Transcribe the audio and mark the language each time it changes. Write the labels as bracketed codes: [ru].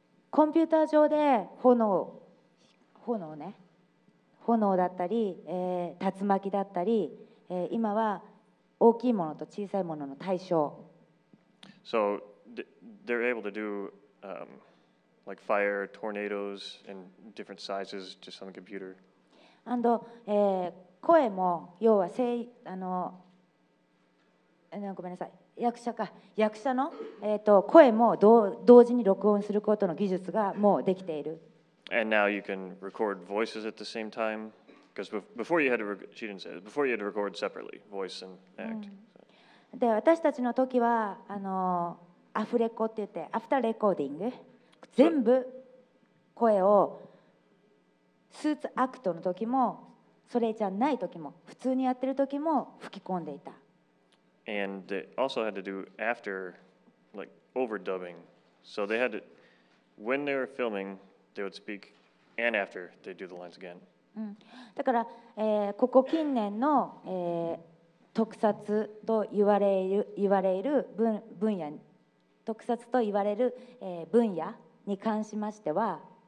[ja] コンピューター上で炎ね。炎だったり、竜巻だったり、今は大きいものと小さいものの対象。 [en] So, they're able to do, like fire, tornadoes, and different sizes just on the computer. [ja] And, 声も要は声ごめんなさい役者か役者の声も同時に録音することの技術がもうできている。 [en] And now you can record voices at the same time, because before you had to she didn't say it. Before you had to record separately, voice and act.、 [ja] で私たちの時はアフレコって言ってアフターレコーディング全部声をスーツアクトの時もそれじゃない時も普通にやってる時も吹き込んでいた。 [en] And they also had to do after, like overdubbing. So they had to, when they were filming, they would speak, and after they do the lines again.、 [ja] だから、ここ近年の、特撮と言われる分野、特撮と言われる、分野に関しましては、